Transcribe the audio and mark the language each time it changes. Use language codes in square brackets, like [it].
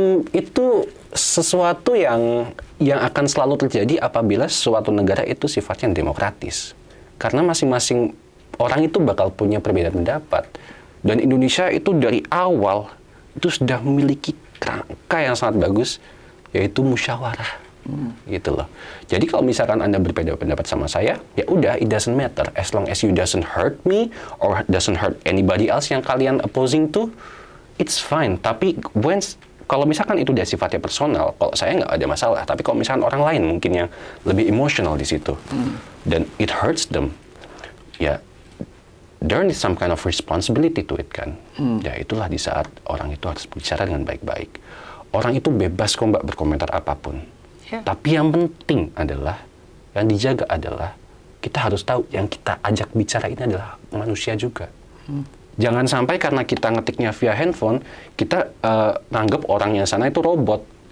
[id] Itu sesuatu yang akan selalu terjadi apabila suatu negara itu sifatnya demokratis. Karena masing-masing orang itu bakal punya perbedaan pendapat. Dan Indonesia itu dari awal itu sudah memiliki kerangka yang sangat bagus, yaitu musyawarah. Gitu loh. Jadi kalau misalkan Anda berbeda pendapat sama saya, ya udah, [en] it doesn't matter. As long as you doesn't hurt me or doesn't hurt anybody else [id] yang kalian [en] opposing to, it's fine. [id] Tapi when kalau misalkan itu dia sifatnya personal, kalau saya nggak ada masalah. Tapi kalau misalkan orang lain mungkin yang lebih emosional di situ, [en] then it hurts them. Ya, there is some kind of responsibility to it, kan? [id] Ya, itulah di saat orang itu harus berbicara dengan baik-baik. Orang itu bebas kok, Mbak, berkomentar apapun. Yeah. Tapi yang penting adalah, yang dijaga adalah, kita harus tahu yang kita ajak bicara ini adalah manusia juga. Jangan sampai karena kita ngetiknya via handphone, kita nganggap orang yang sana itu robot.